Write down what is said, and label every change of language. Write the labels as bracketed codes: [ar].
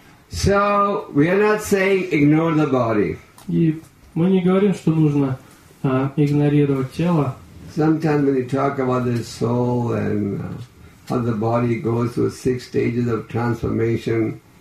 [en] So, we are not saying ignore the body. [ru] И мы не говорим, что нужно игнорировать тело. [en] Sometimes when you talk about the soul and how the body goes through six stages of transformation.